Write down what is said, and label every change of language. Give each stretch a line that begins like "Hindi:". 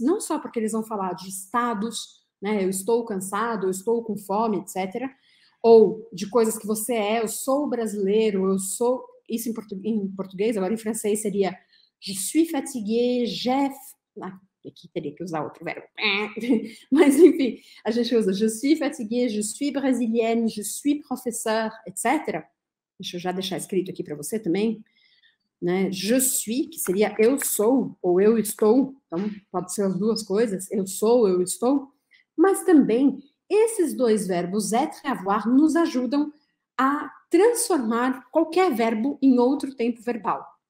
Portuguese: Não só porque eles vão falar de estados, né? Eu estou cansado, eu estou com fome, etc. Ou de coisas que você é, eu sou brasileiro, eu sou. Isso em português, agora em francês seria
French: je suis fatigué, je.
Portuguese: Ah. Aqui teria que usar outro verbo. Mas, enfim, a gente usa
French: je suis fatiguée, je suis brésilienne, je suis professeur, etc.
Portuguese: Deixa eu já deixar escrito aqui para você também. Né?
French: Je suis,
Portuguese: que seria eu sou ou eu estou. Então, pode ser as duas coisas. Eu sou, eu estou. Mas também, esses dois verbos, être e avoir, nos ajudam a transformar qualquer verbo em outro tempo verbal.